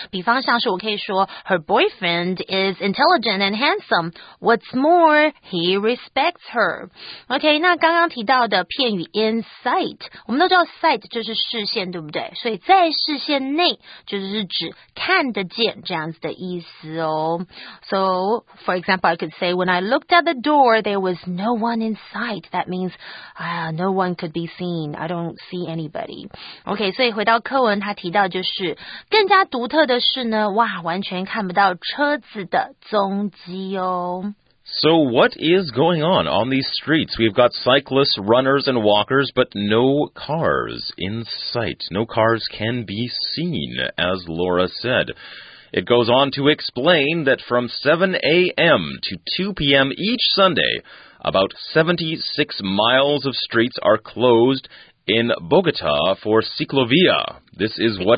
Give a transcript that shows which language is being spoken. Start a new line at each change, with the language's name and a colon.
Chinese: 比方像是我可以说
English: her boyfriend is intelligent and handsome. What's more, he respects her. Okay.
Chinese: 那刚刚提到的片语 in sight, 我们都知道 sight 就是视线对不对？所以在视线内就是指看得见这样子的意思哦。
English: So, for example, I could say, when I looked at the door, there was no one in sight. That means, no one could be seen. I don't see anybody.
Chinese: Okay, 所以回到课文他提到就是更加独特的是呢，哇，完全看不到车子的踪迹哦。
English: So what is going on these streets? We've got cyclists, runners, and walkers, but no cars in sight. No cars can be seen, as Laura said. It goes on to explain that from 7 a.m. to 2 p.m. each Sunday, about 76 miles of streets are closed in Bogota for ciclovía. This is what